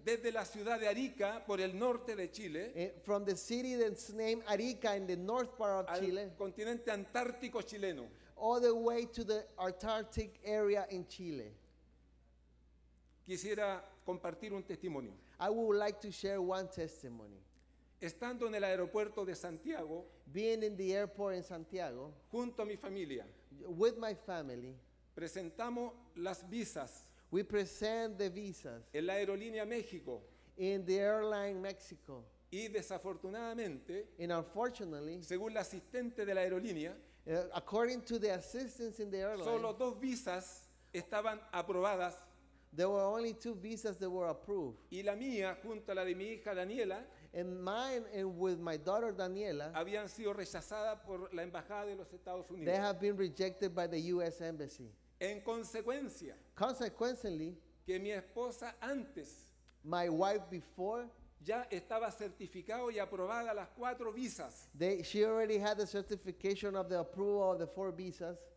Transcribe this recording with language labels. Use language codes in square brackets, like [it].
[es] Desde la ciudad de Arica, por el norte de Chile. [en] From the city that's named Arica in the north part of Chile. [es] Al continente antártico chileno. [en] All the way to the Antarctic area in Chile. [es] Quisiera compartir un testimonio. [en] I would like to share one testimony. [es] Estando en el aeropuerto de Santiago, [en] being in the airport in Santiago, [es] junto a mi familia, [en] with my family, [es] presentamos las visas. [en] We present the visas. [es] En la aerolínea México. [en] In the airline Mexico. [es] Y desafortunadamente, [en] and unfortunately, [es] según la asistente de la aerolínea, [en] according to the assistants in the airline, [es] solo dos visas estaban aprobadas. [en] There were only two visas that were approved. [es] Y la mía, junto a la de mi hija Daniela, [en] and mine and with my daughter Daniela, [es] habían sido rechazadas por la embajada de los Estados Unidos. [en] They have been rejected by the U.S. Embassy. [es] En consecuencia, [en] consequently, [es] que mi esposa antes, [en] my wife before, [es] ya estaba certificado y aprobada las cuatro visas. [en] She already had the certification of the approval of the four visas.